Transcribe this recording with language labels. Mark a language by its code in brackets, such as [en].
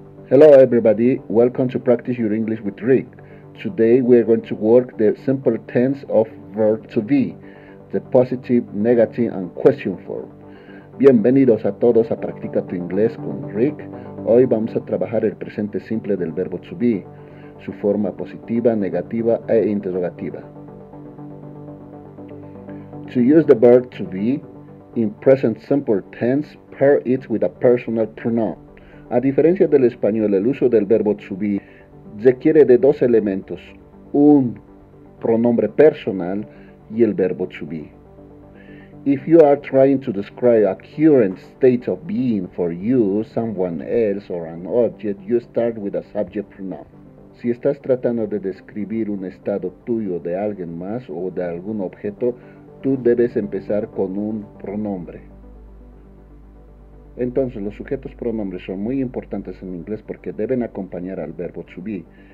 [en] Hello everybody, welcome to Practice Your English with Rick. Today we are going to work the simple tense of verb to be, the positive, negative and question form. [es] Bienvenidos a todos a Practica tu Inglés con Rick. Hoy vamos a trabajar el presente simple del verbo to be, su forma positiva, negativa e interrogativa. [en] To use the verb to be in present simple tense, pair it with a personal pronoun. [es] A diferencia del español, el uso del verbo to be requiere de dos elementos, un pronombre personal y el verbo to be. [en] If you are trying to describe a current state of being for you, someone else or an object, you start with a subject pronoun. [es] Si estás tratando de describir un estado tuyo de alguien más o de algún objeto, tú debes empezar con un pronombre. Entonces, los sujetos pronombres son muy importantes en inglés porque deben acompañar al verbo to be.